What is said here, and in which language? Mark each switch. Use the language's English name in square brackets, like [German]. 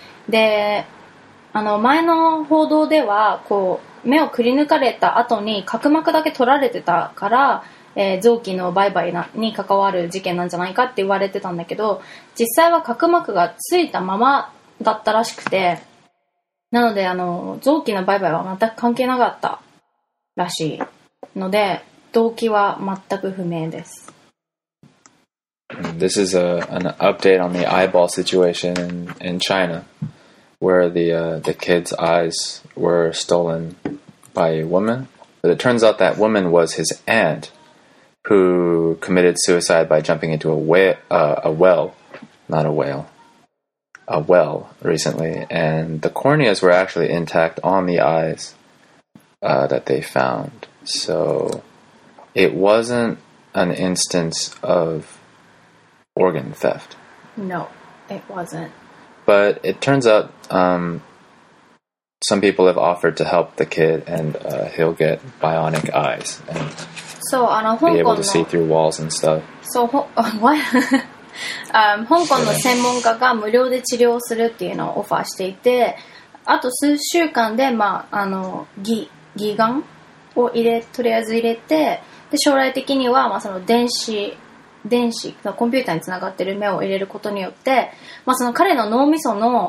[Japanese] で、前の報道では、こう、目をくり抜かれた後に角膜だけ取られてたから、臓器の売買に関わる事件なんじゃないかって言われてたんだけど、実際は角膜がついたままだったらしくて、なので臓器の売買は全く関係なかったらしいので、動機は全く不明です。 [English] This is an update on the eyeball situation in China. Where the kid's eyes were stolen by a woman. But it turns out that woman was his aunt who committed suicide by jumping into a well recently. And the corneas were actually intact on the eyes that they found. So it wasn't an instance of organ theft. No, it wasn't. But it turns out some people have offered to help the kid and he'll get bionic eyes and so, be able to see through walls and stuff. So, what? [Japanese] 香港の専門家が無料で治療するっていうのをオファーしていて、あと数週間で、まあ、あの、義眼を入れ、とりあえず入れて、で、将来的には、まあ、その電子のコンピューターにつながってる目を入れることによって、まあ、その彼の脳みその。